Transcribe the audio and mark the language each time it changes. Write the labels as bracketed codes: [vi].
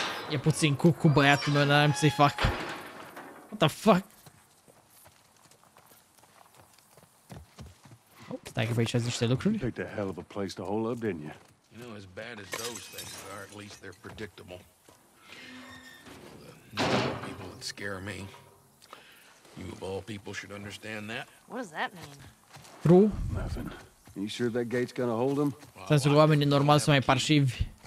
[ro] E puțin cucu băiatul meu, n-am să-i fac. [en] What the fuck? [ro] Stai că aici niște lucruri. [en] You picked a hell of a place to hold up, didn't you? You know, as bad as those things are, at least they're predictable. The people that scare me. You of all people should understand that. What does that mean? True. Nothing. You sure that gate's gonna hold them? [ro] Sunt sigur oamenii normal să mai parșivi.